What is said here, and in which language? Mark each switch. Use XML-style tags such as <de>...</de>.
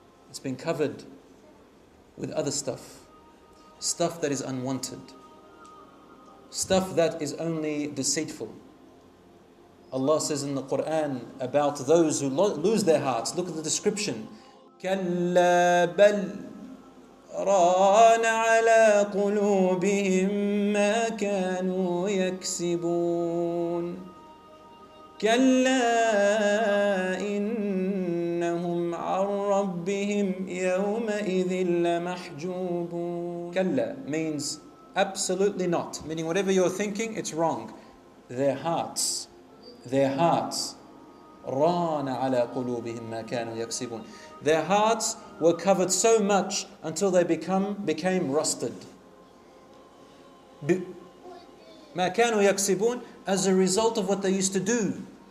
<en>It's been covered with other stuff. Stuff that is unwanted. Stuff that is only deceitful. Allah says in the Quran about those who lose their hearts. Look at the description.</en> <ar>كلا بل ران على قلوبهم ما كانوا يكسبون كلا إنهم عن ربهم يومئذ لمحجوبون كلا</ar> <en>means Absolutely not. Meaning whatever you're thinking, it's wrong. Their hearts.</en> <ar>رَانَ عَلَىٰ قُلُوبِهِمْ مَا كَانُوا يَكْسِبُونَ</ar> <en>Their hearts were covered so much until they became rusted.</en> <ar>مَا كَانُوا يَكْسِبُونَ</ar> <en>As a result of what they used to do.</en>